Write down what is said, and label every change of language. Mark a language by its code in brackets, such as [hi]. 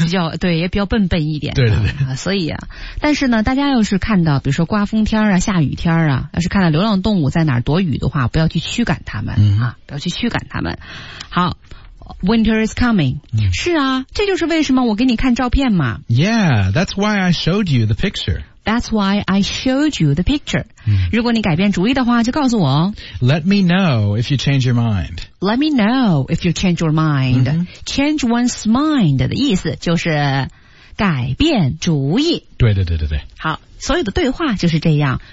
[zh] 比较对也比较笨笨一点对对对、啊、所以啊但是呢大家要是看到比如说刮风天啊下雨天啊要是看到流浪动物在哪儿躲雨的话不要去驱赶它们、嗯、啊不要去驱赶它们好 [en] Winter is coming、 [zh] 嗯、是啊这就是为什么我给你看照片嘛 [en] Yeah, that's why I showed you the pictureth at's why I showed you the picture、嗯、 [zh] 如果你改变主意的话就告诉我 [en] let me know if you change your mind let me know if you change your mind、嗯、 change one's mind [zh] 的意思就是改变主意对对对对对好所有的对话就是这样、